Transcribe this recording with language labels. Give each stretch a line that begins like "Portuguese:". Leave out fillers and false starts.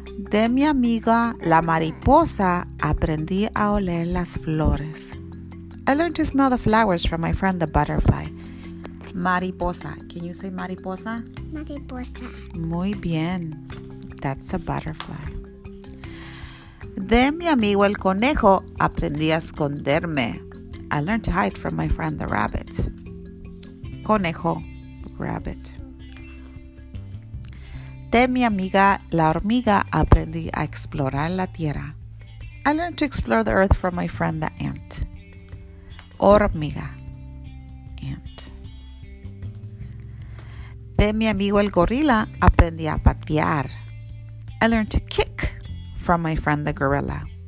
Spanish: De mi amiga la mariposa aprendí a oler las flores.
English: I learned to smell the flowers from my friend the butterfly. Mariposa. Can you say mariposa?
Spanish: Mariposa. Muy bien.
English: That's a butterfly.
Spanish: De mi amigo el conejo aprendí a esconderme.
English: I learned to hide from my friend the rabbit.
Spanish: Conejo. Rabbit. De mi amiga la hormiga aprendí a explorar la tierra.
English: I learned to explore the earth from my friend the ant.
Spanish: Hormiga. Ant. De mi amigo el gorila aprendí a patear.
English: I learned to kick from my friend the gorilla.